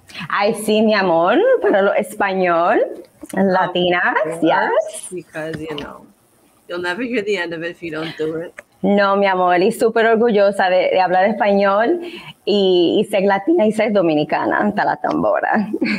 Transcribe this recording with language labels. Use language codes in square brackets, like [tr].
[en] I see mi amor, pero lo español, latinas. Yes. Because, you know, you'll never hear the end of it if you don't do it. [es] No, mi amor, y súper orgullosa de hablar español y ser latina y ser dominicana hasta la tambora.